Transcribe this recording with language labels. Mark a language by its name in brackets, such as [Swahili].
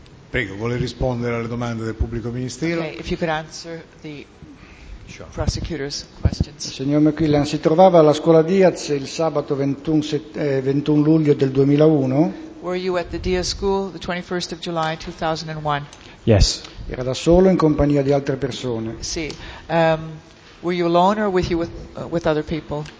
[Italian] Prego, vuole rispondere alle domande del pubblico ministero? [English] Okay, if you could answer the prosecutor's questions. [Italian] Signor McQuillan, si trovava alla scuola Diaz il sabato 21 luglio del 2001? [English] Were you at the Diaz School the 21st of July 2001? Yes. [Italian] Era da solo in compagnia di altre persone? Sì. [English] Were you alone or with you with other people?